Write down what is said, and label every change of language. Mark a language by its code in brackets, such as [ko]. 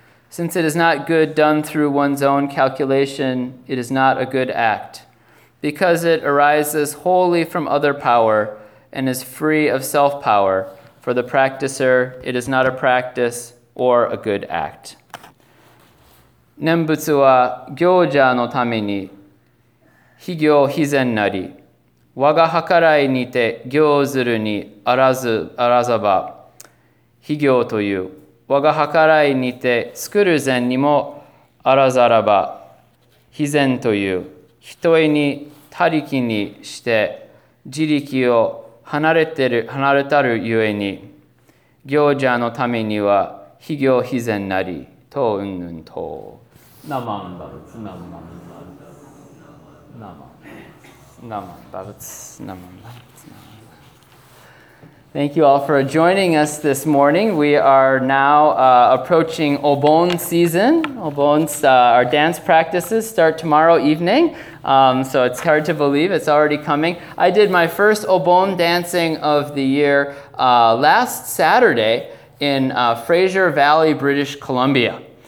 [en] Since it is not good done through one's own calculation, it is not a good act. Because it arises wholly from other power and is free of self-power, for the practicer, it is not a practice or a good act. [ja] 念仏は行者のために非行非善なり、我が計らいにて行ずるにあらずあらざば、非行という我が計らいにて作る善にもあらざらば、非善という人へに他力にして自力を離れたるゆえに、行者のためには非行非善なりとうんぬんと。ナマンバルツナマンバルツナマンナマンバルツナマンバルツ。 [en] Thank you all for joining us this morning. We are now approaching Obon season. Our dance practices start tomorrow evening. So it's hard to believe it's already coming. I did my first Obon dancing of the year last Saturday in Fraser Valley, British Columbia.